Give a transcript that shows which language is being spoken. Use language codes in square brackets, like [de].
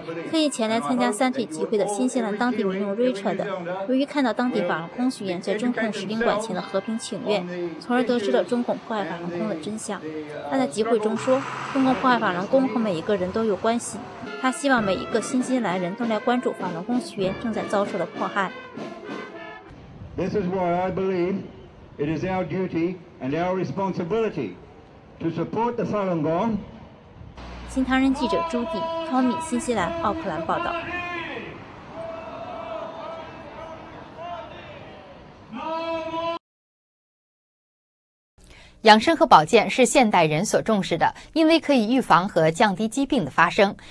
[zh] 特意前来参加三退集会的新西兰当地民众 Richard， 由于看到当地法轮功学员在中共使领馆前的和平请愿，从而得知了中共迫害法轮功的真相。他在集会中说，中共迫害法轮功和每一个人都有关系，他希望每一个新西兰人都来关注法轮功学员正在遭受的迫害。 [en] This is why I believe it is our duty and our responsibility to support the Falun Gong. [zh] 新唐人记者朱迪、汤米，新西兰奥克兰报道。养生和保健是现代人所重视的，因为可以预防和降低疾病的发生。